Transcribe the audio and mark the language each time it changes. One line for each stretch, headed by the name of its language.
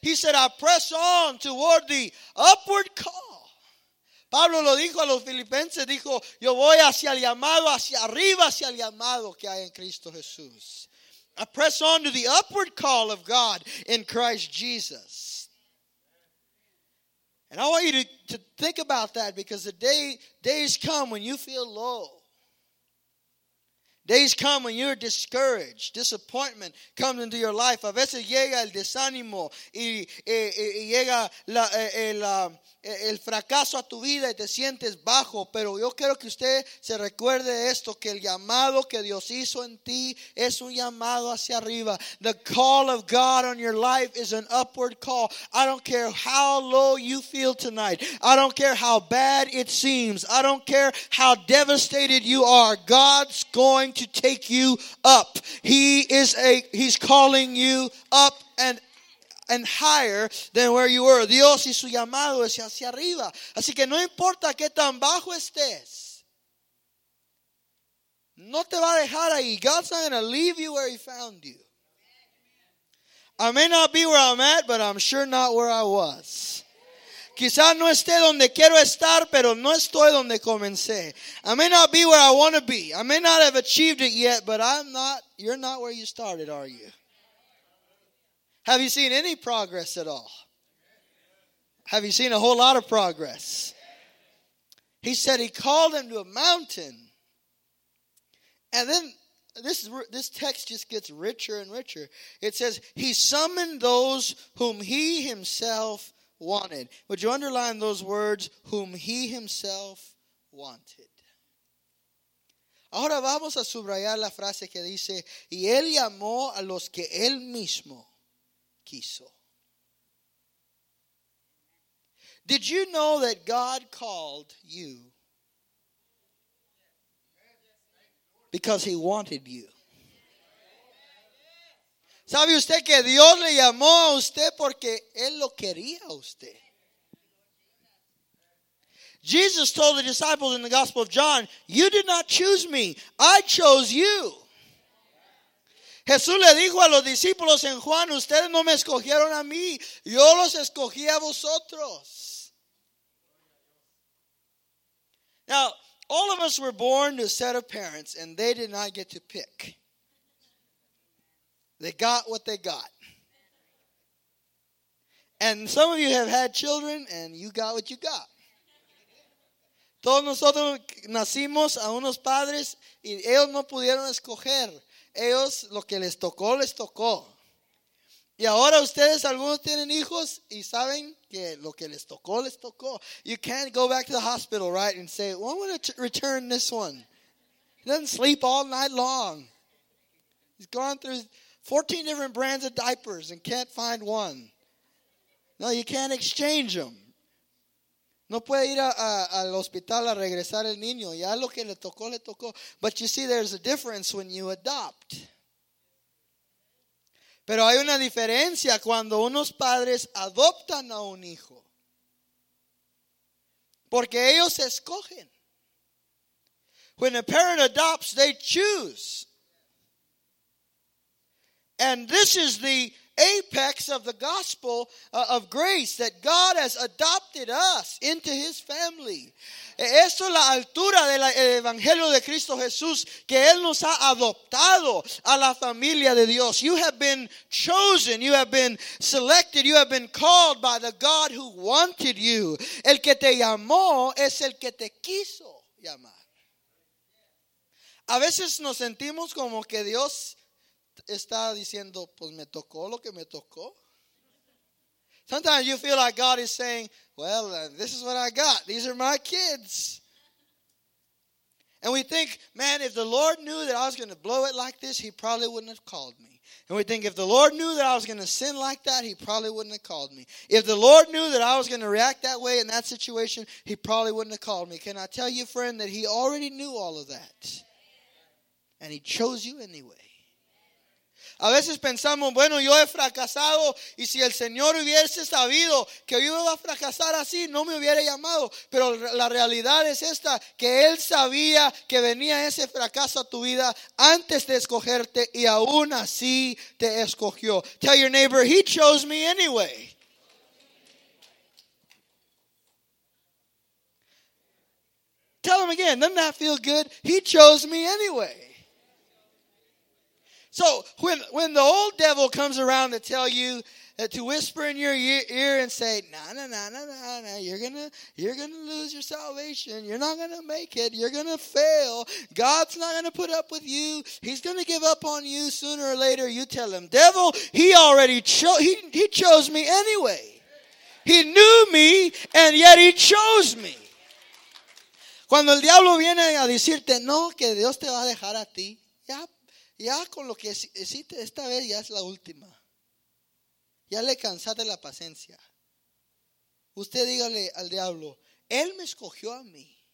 English: He said, I press on toward the upward call.
Spanish: Pablo lo dijo a los filipenses, dijo, yo voy hacia el llamado, hacia arriba, hacia el llamado que hay en Cristo Jesús.
English: I press on to the upward call of God in Christ Jesus. And I want you to think about that, because the days come when you feel low. Days come when you're discouraged. Disappointment comes into your life.
Spanish: A veces llega el desánimo y llega el fracaso a tu vida y te sientes bajo. Pero yo quiero que usted se recuerde esto, que el llamado que Dios hizo en ti es un llamado hacia arriba.
English: The call of God on your life is an upward call. I don't care how low you feel tonight. I don't care how bad it seems. I don't care how devastated you are. God's going to take you up. He's calling you up and higher than where you were.
Spanish: Dios y su llamado es hacia arriba. Así que no importa qué tan bajo estés, no te va a dejar ahí.
English: God's not going to leave you where he found you. I may not be where I'm at, but I'm sure not where I was.
Spanish: Quizás no esté donde quiero estar, pero no estoy donde comencé.
English: I may not be where I want to be. I may not have achieved it yet, but I'm not. You're not where you started, are you? Have you seen any progress at all? Have you seen a whole lot of progress? He said he called him to a mountain. And then this text just gets richer and richer. It says he summoned those whom he himself wanted. Would you underline those words, whom he himself wanted?
Spanish: Ahora vamos a subrayar la frase que dice, y él llamó a los que él mismo quiso.
English: Did you know that God called you because he wanted you?
Spanish: ¿Sabe usted que Dios le llamó a usted porque él lo quería a usted?
English: Jesus told the disciples in the Gospel of John, you did not choose me, I chose you.
Spanish: Jesús le dijo a los discípulos en Juan, ustedes no me escogieron a mí, yo los escogí a vosotros.
English: Now, all of us were born to a set of parents, and they did not get to pick. They got what they got. And some of you have had children, and you got what you got.
Spanish: Todos nosotros nacimos a unos padres, y ellos no pudieron escoger. Ellos, lo que les tocó, les tocó. Y ahora ustedes, algunos tienen hijos, y saben que lo que les tocó, les tocó.
English: You can't go back to the hospital, right, and say, well, I'm going to return this one. He doesn't sleep all night long. He's gone through 14 different brands of diapers and can't find one. No, you can't exchange them.
Spanish: No puede ir al hospital a regresar el niño. Ya lo que le tocó, le tocó.
English: But you see, there's a difference when you adopt.
Spanish: Pero hay una diferencia cuando unos padres adoptan a un hijo. Porque ellos escogen.
English: When a parent adopts, they choose. And this is the apex of the gospel of grace, that God has adopted us into his family.
Spanish: Esto es la altura del evangelio de Cristo Jesús, que él nos ha adoptado a la familia de Dios.
English: You have been chosen, you have been selected, you have been called by the God who wanted you.
Spanish: El que te llamó es el que te quiso llamar. A veces nos sentimos como que Dios está diciendo, pues me tocó lo que me tocó.
English: Sometimes you feel like God is saying, well, this is what I got. These are my kids. And we think, man, if the Lord knew that I was going to blow it like this, he probably wouldn't have called me. And we think, if the Lord knew that I was going to sin like that, he probably wouldn't have called me. If the Lord knew that I was going to react that way in that situation, he probably wouldn't have called me. Can I tell you, friend, that he already knew all of that? And he chose you anyway.
Spanish: A veces pensamos, bueno, yo he fracasado, y si el Señor hubiese sabido que yo iba a fracasar así, no me hubiera llamado. Pero la realidad es esta, que él sabía que venía ese fracaso a tu vida antes de escogerte, y aún así te escogió.
English: Tell your neighbor, he chose me anyway. Tell him again, doesn't that feel good? He chose me anyway. So when the old devil comes around to tell you, to whisper in your ear and say, nah, nah, nah, nah, nah, nah, you're gonna lose your salvation. You're not going to make it. You're going to fail. God's not going to put up with you. He's going to give up on you sooner or later. You tell him, devil, he already he chose me anyway. He knew me, and yet he chose me.
Spanish: Cuando el diablo viene a decirte, no, que Dios te va a dejar a ti, ya con lo que hiciste esta vez, ya es la última. Ya le cansaste la paciencia. Usted dígale al diablo, él me escogió a mí.